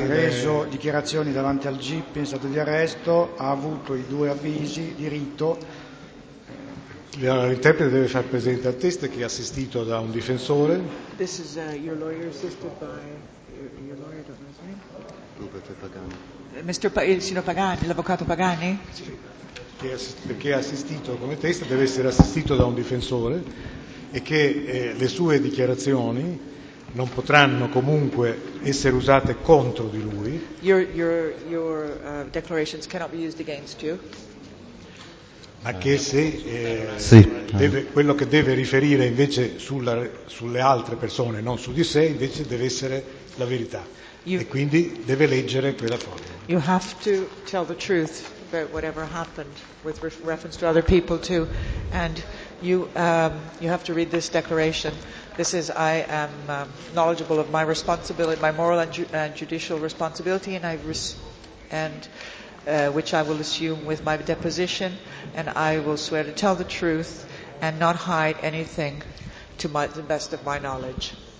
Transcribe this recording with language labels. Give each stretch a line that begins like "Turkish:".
Italian: Ha reso dichiarazioni davanti al GIP in stato di arresto, ha avuto i due avvisi di rito. L'interprete deve far presente al test che è assistito da un difensore.
English: This is your lawyer assisted by your lawyer,
Italian: Mr. Il signor Pagani, l'avvocato Pagani? Sì. Perché è assistito come test, deve essere assistito da un difensore e che le sue dichiarazioni non potranno comunque essere usate contro di lui.
English: Your declarations cannot be used against you.
Italian: Ma che se sì. Deve, quello che deve riferire invece sulla, sulle altre persone, non su di sé, invece deve essere la verità. E quindi deve leggere quella foglia.
English: You have to tell the truth about whatever happened with reference to other people too, and you you have to read this declaration. This is I am knowledgeable of my responsibility, my moral and judicial responsibility, and which I will assume with my deposition, and I will swear to tell the truth and not hide anything to my, the best of my knowledge.